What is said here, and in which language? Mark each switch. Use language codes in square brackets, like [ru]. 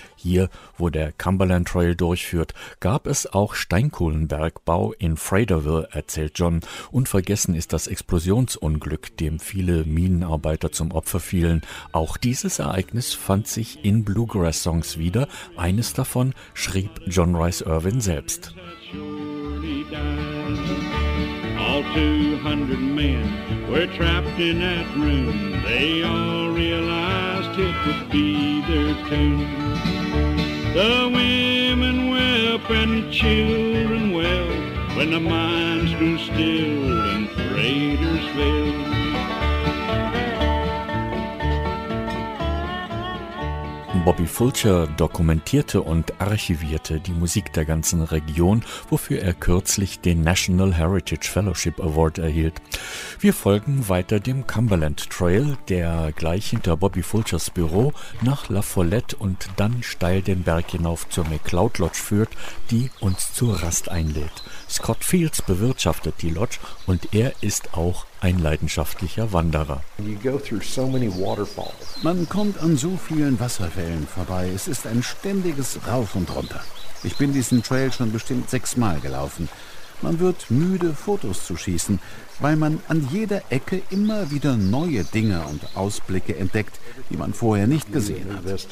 [de] Hier, wo der Cumberland Trail durchführt, gab es auch Steinkohlenbergbau in Fraterville, erzählt John, und vergessen ist das Explosionsunglück, dem viele Minenarbeiter zum Opfer fielen. Auch dieses Ereignis fand sich in Bluegrass-Songs wieder. Eines davon schrieb John Rhys Irvin selbst. [en] All 200 men were trapped in that room. They all realized it would be their tomb. The women wept and the children wailed when the mines grew still and freighters failed. [de] Bobby Fulcher dokumentierte und archivierte die Musik der ganzen Region, wofür er kürzlich den National Heritage Fellowship Award erhielt. Wir folgen weiter dem Cumberland Trail, der gleich hinter Bobby Fulchers Büro nach La Follette und dann steil den Berg hinauf zur McLeod Lodge führt, die uns zur Rast einlädt. Scott Fields bewirtschaftet die Lodge und er ist auch ein leidenschaftlicher Wanderer. [en] You go through so many waterfalls. [de] Man kommt an so vielen Wasserfällen vorbei. Es ist ein ständiges Rauf und Runter. Ich bin diesen Trail schon bestimmt 6 Mal gelaufen. Man wird müde, Fotos zu schießen, weil man an jeder Ecke immer wieder neue Dinge und Ausblicke entdeckt, die man vorher nicht gesehen hat.